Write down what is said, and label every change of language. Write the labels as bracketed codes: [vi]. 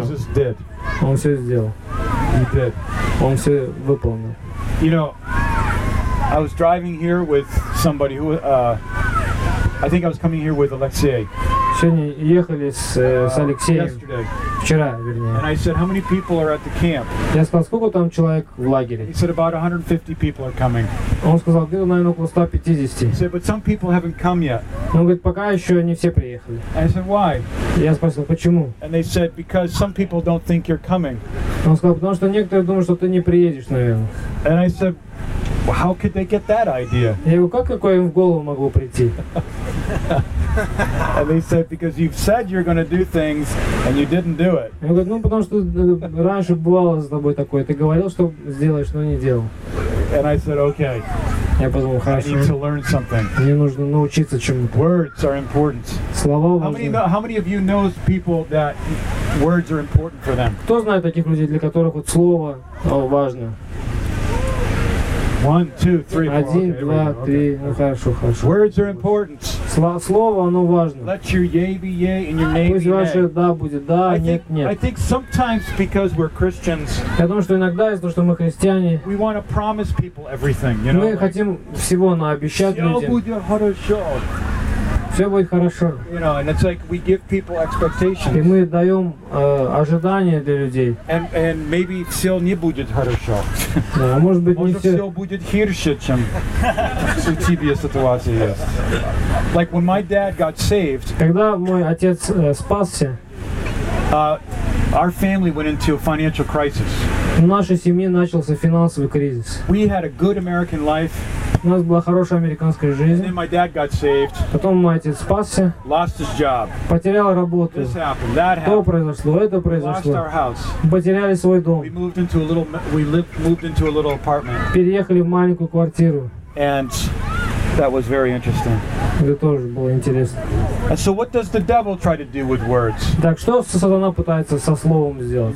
[en] Jesus did. [ru] Он все сделал. [en] He did. [ru] Он все выполнил. [en] You know, I was driving here with somebody who I think I was coming here with Alexei. [ru] Сегодня ехали с Алексеем. [en] Yesterday. [ru] Вчера, вернее. [en] And I said, how many people are at the camp? [ru] Я сказал, сколько там человек в лагере? [en] He said, about 150 people are coming. [ru] Он сказал, где-то, наверное, около 150. [en] He said, but some people haven't come yet. [ru] Он говорит, пока еще не все приехали. [en] And I said, why? [ru] Я спросил, почему? [en] And they said, because some people don't think you're coming. [ru] Он сказал, потому что некоторые думают, что ты не приедешь, наверное. [en] And I said, well, how could they get that idea? [ru] Я говорю, как какое им в голову могло прийти? [en] And they said, because you've said you're going to do things and you didn't do it. [ru] Я говорю, ну потому что раньше бывало с тобой такое, ты говорил, что сделаешь, но не делал. [en] And I said, okay. [ru] Я подумал, хорошо. [en] I need to learn something. [ru] Мне нужно научиться чему-то. [en] Words are important. [ru] Слова важны. [en] How many of you knows people that words are important for them? [ru] Кто знает таких людей, для которых вот слово важно? [en] One, two, three, four. [ru] Один, okay, два, three. Три. Okay. Ну хорошо, хорошо. [en] Words are important. [ru] Слово, оно важно. [en] Let your yay be yay and your nay be nay. [ru] Пусть ваше да будет да, а нет нет. [en] I think sometimes because we're Christians. [ru] Я думаю, что иногда из-за что мы христиане. [en] We want to promise people everything, you know. [ru] Мы хотим всего наобещать людям. Все будет хорошо. Все будет хорошо. [en] You know, and it's like we give people expectations. [ru] И мы даем ожидания для людей. [en] And maybe [ru] все не будет хорошо. Да, может быть, может, не все. Может, все будет хирше, чем у тебя ситуация есть. [en] Like when my dad got saved. [ru] Когда мой отец спасся. [en] Our family went into a financial crisis. [ru] В нашей семье начался финансовый кризис. [en] We had a good American life. [ru] У нас была хорошая американская жизнь. [en] And then my dad got saved. [ru] Потом мой отец спасся. [en] Lost his job. [ru] Потерял работу. [en] This happened. That happened. [ru] То произошло, это произошло. [en] Lost our house. [ru] Потеряли свой дом. [en] We moved into a little. Moved into a little apartment. [ru] Переехали в маленькую квартиру. [en] And that was very interesting. [ru] Это тоже было интересно. [en] And so what does the devil try to do with words? [ru] Так что сатана пытается со словом сделать?